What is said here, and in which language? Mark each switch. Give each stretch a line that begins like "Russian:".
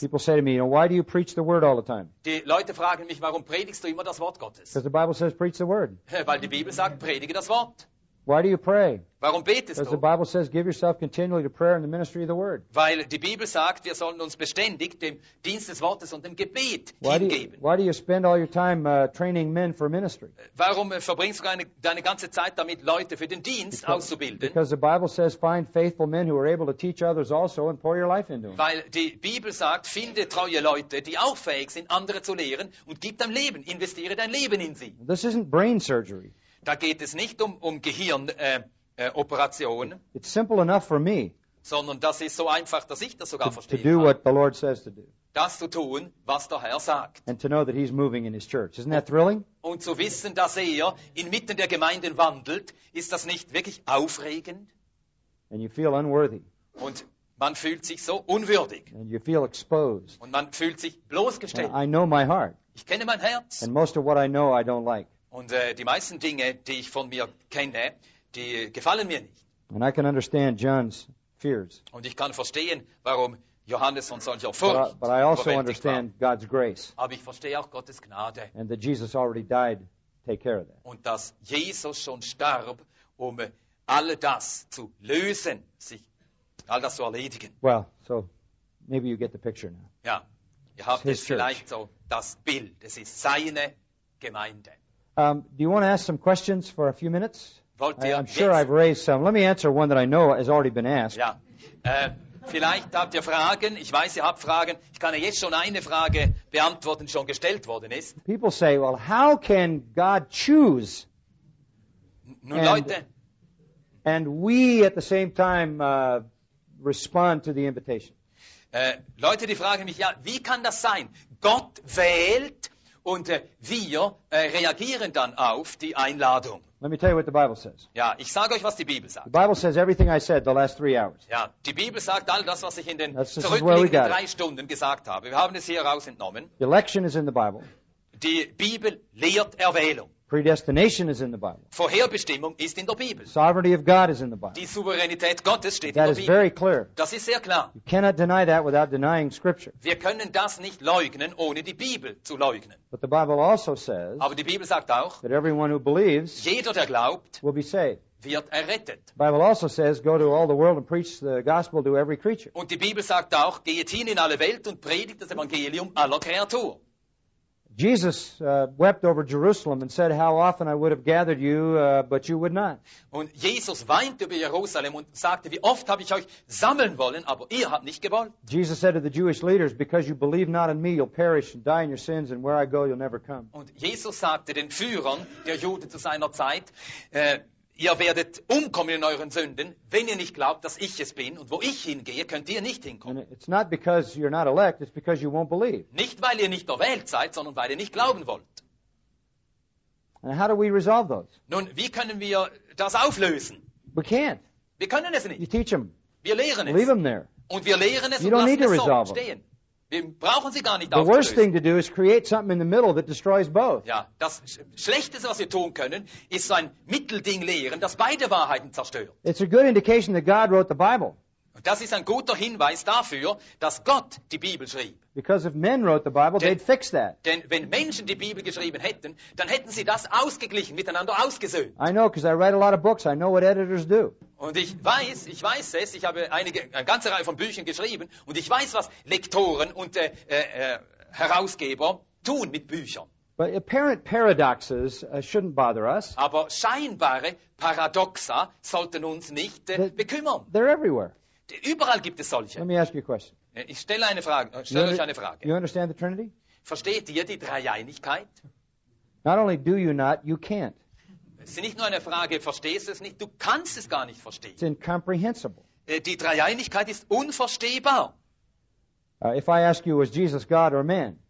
English: People say to me, you know, why do you preach the word all the time?
German: Die Leute fragen mich, warum predigst du immer das Wort Gottes?
English: Because the Bible says, preach the word.
German: Weil die Bibel sagt, predige das Wort.
English: Why do you pray?
German: Warum betest du?
English: Because the Bible says, give yourself continually to prayer and the ministry of the word.
German: Weil die Bibel sagt, wir sollen uns beständig dem Dienst des Wortes und dem Gebet hingeben.
English: Why do you spend all your time training men for ministry?
German: Warum verbringst du deine ganze Zeit damit, Leute für den Dienst auszubilden?
English: Because the Bible says, find faithful men who are able to teach others also and pour your life into them.
German: Weil die Bibel sagt, finde treue Leute, die auch fähig sind, andere zu lehren und gib dein Leben, investiere dein Leben in sie.
English: This isn't brain surgery.
German: Da geht es nicht um Gehirn, Operation.
English: It's simple enough for me.
German: Sondern das ist so einfach, dass ich das sogar
English: to,
German: verstehe.
English: To do what the Lord says to do.
German: Das zu tun, was der Herr sagt.
English: And to know that he's moving in his church. Isn't that thrilling?
German: Und zu wissen, dass inmitten der Gemeinden wandelt, ist das nicht wirklich aufregend?
English: And you feel unworthy.
German: Und man fühlt sich so unwürdig.
English: And you feel exposed.
German: Und man fühlt sich bloßgestellt.
English: And I know my heart.
German: Ich kenne mein Herz.
English: And most of what I know, I don't like.
German: Und die meisten Dinge, die ich von mir kenne, die gefallen mir nicht.
English: And I can understand John's fears.
German: Und ich kann verstehen, warum Johannes von solcher Furcht überwältigt war.
English: But I also understand God's grace.
German: Aber ich verstehe auch Gottes Gnade.
English: And that Jesus already died to take care of that.
German: Und dass Jesus schon starb, um all das zu lösen, sich all das zu erledigen.
English: Well, so maybe you get the picture now.
German: Ja, ihr habt jetzt vielleicht so das Bild. Es ist seine Gemeinde.
English: Do you want to ask some questions for a few minutes? I'm sure I've raised some. Let me answer one that I know has already been asked.
German: Ja. Vielleicht habt ihr Fragen. Ich weiß, ihr habt Fragen. Ich kann jetzt schon eine Frage beantworten, die schon gestellt worden ist.
English: People say, well, how can God choose?
German: Nun, Leute.
English: And we at the same time respond to the invitation.
German: Leute, die fragen mich, ja, wie kann das sein? Gott wählt und wir reagieren dann auf die Einladung.
English: Let me tell you what the Bible says.
German: Ja, ich sage euch, was die Bibel sagt.
English: The Bible says everything I said the last three hours.
German: Ja, die Bibel sagt all das, was ich in den zurückliegenden drei Stunden gesagt habe. Wir haben es hier raus entnommen.
English: The election is in the Bible.
German: Die Bibel lehrt Erwählung.
English: Predestination is in the Bible.
German: Vorherbestimmung ist in der Bibel.
English: Sovereignty of God is in the Bible.
German: Die Souveränität Gottes steht in der Bibel.
English: That is very clear.
German: Das ist sehr klar.
English: You cannot deny that without denying Scripture.
German: Wir können das nicht leugnen, ohne die Bibel zu leugnen.
English: But the Bible also says,
German: aber die Bibel sagt auch,
English: that everyone who believes,
German: jeder, der glaubt,
English: will be saved.
German: Wird errettet.
English: The Bible also says, go to all the world and preach the gospel to every creature.
German: Und die Bibel sagt auch, geht hin in alle Welt und predigt das Evangelium aller Kreatur.
English: Jesus wept over Jerusalem and said, how often I would have gathered you, but you would not.
German: Und Jesus weinte über Jerusalem und sagte, wie oft habe ich euch sammeln wollen, aber ihr habt nicht gewollt.
English: Jesus said to the Jewish leaders, because you believe not in me, you'll perish and die in your sins, and where I go, you'll never come.
German: Und Jesus sagte den Führern der Juden zu seiner Zeit, ihr werdet umkommen in euren Sünden, wenn ihr nicht glaubt, dass ich es bin. Und wo ich hingehe, könnt ihr nicht hinkommen.
English: And it's not because you're not elect, it's because you won't believe.
German: Nicht, weil ihr nicht erwählt seid, sondern weil ihr nicht glauben wollt.
English: And how do we resolve those?
German: Nun, wie können wir das auflösen?
English: We can't.
German: Wir können es nicht.
English: You teach them.
German: Wir lehren es.
English: Leave them there.
German: Und wir lehren es
English: you
German: und lassen es so
English: them.
German: Stehen. Wir brauchen sie gar nicht aufzulösen.
English: The worst thing to do is create something in the middle that destroys both.
German: Ja, das Schlechteste, was wir tun können, ist so ein Mittelding lehren, das beide Wahrheiten zerstört.
English: It's a good indication that God wrote the Bible.
German: Das ist ein guter Hinweis dafür, dass Gott die Bibel schrieb.
English: Because if men wrote the Bible, they'd fix that.
German: Denn wenn Menschen die Bibel geschrieben hätten, dann hätten sie das ausgeglichen, miteinander ausgesöhnt.
English: I know, because I write a lot of books. I know what editors do.
German: Und ich weiß es, ich habe eine ganze Reihe von Büchern geschrieben und ich weiß, was Lektoren und Herausgeber tun mit Büchern.
English: But apparent paradoxes shouldn't bother us.
German: Aber scheinbare Paradoxa sollten uns nicht bekümmern.
English: They're everywhere.
German: Überall gibt es solche.
English: Let me ask you a question.
German: Ich stelle eine Frage, stelle euch eine Frage.
English: You understand the Trinity?
German: Versteht ihr die Dreieinigkeit?
English: Not only do you not, you can't.
German: Es ist nicht nur eine Frage, verstehst du es nicht, du kannst es gar nicht verstehen.
English: It's incomprehensible.
German: Die Dreieinigkeit ist unverstehbar.
English: If I ask you, was Jesus God or man?